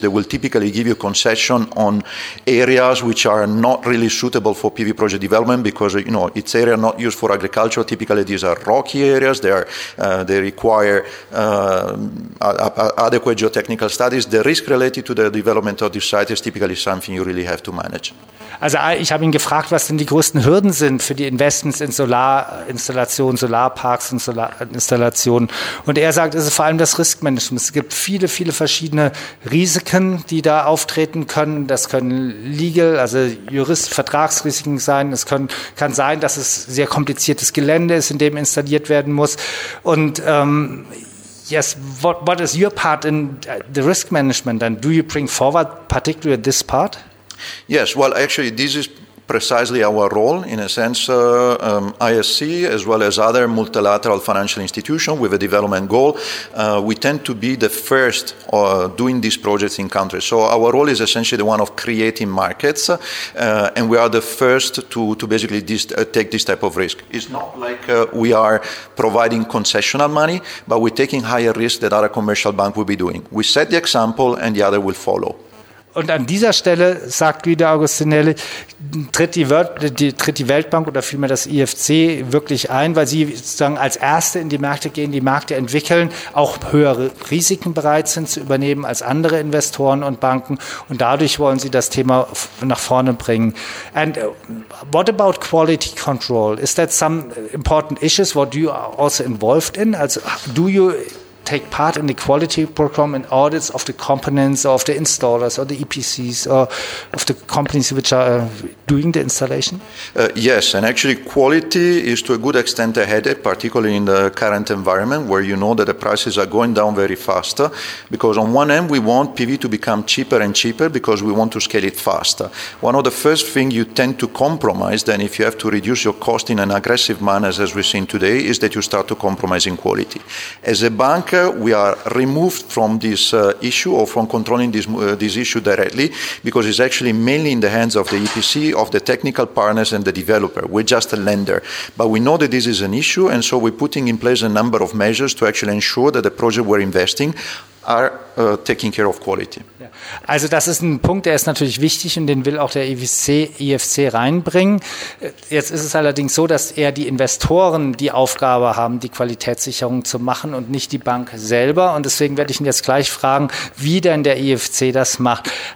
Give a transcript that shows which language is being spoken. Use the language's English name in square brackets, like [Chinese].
[English] They will typically give you concession on areas which are not really suitable for PV project development because, you know, it's area not used for agriculture. Typically, these are rocky areas. They require adequate geotechnical studies. The risk related to the development of this site is typically something you really have to manage. [German] Also ich habe ihn gefragt, was denn die größten Hürden sind für die Investments in Solarinstallationen, Solarparks und Solarinstallationen. Und er sagt, es ist vor allem das Riskmanagement. Es gibt viele, viele verschiedene Risiken, die da auftreten können. Das können Legal, also Vertragsrisiken sein. Es kann sein, dass es sehr kompliziertes Gelände ist, in dem installiert werden muss. [English] Und what is your part in the risk management? And do you bring forward particularly this part? Yes, well, actually, this is precisely our role, in a sense, ISC, as well as other multilateral financial institutions with a development goal, we tend to be the first doing these projects in countries. So our role is essentially the one of creating markets, and we are the first to basically take this type of risk. It's not like we are providing concessional money, but we're taking higher risk than other commercial bank will be doing. We set the example, and the other will follow. [German] Und an dieser Stelle, sagt Guido Agostinelli, tritt die Weltbank oder vielmehr das IFC wirklich ein, weil sie sozusagen als Erste in die Märkte gehen, die Märkte entwickeln, auch höhere Risiken bereit sind zu übernehmen als andere Investoren und Banken. Und dadurch wollen sie das Thema nach vorne bringen. [English] And what about quality control? Is that some important issues? What do you are also involved in? Also do you take part in the quality program and audits of the components or of the installers or the EPCs or of the companies which are doing the installation? Yes, and actually quality is to a good extent a headache, particularly in the current environment where you know that the prices are going down very fast, because on one end we want PV to become cheaper and cheaper because we want to scale it faster. One of the first things you tend to compromise then if you have to reduce your cost in an aggressive manner as we've seen today is that you start to compromise in quality. As a bank, we are removed from this issue or from controlling this issue directly because it's actually mainly in the hands of the EPC, of the technical partners and the developer. We're just a lender. But we know that this is an issue and so we're putting in place a number of measures to actually ensure that the project we're investing are taking care of quality. [German] Also das ist ein Punkt, der ist natürlich wichtig und den will auch der IFC reinbringen. Jetzt ist es allerdings so, dass eher die Investoren die Aufgabe haben, die Qualitätssicherung zu machen und nicht die Bank selber. Und deswegen werde ich ihn jetzt gleich fragen, wie denn der IFC das macht.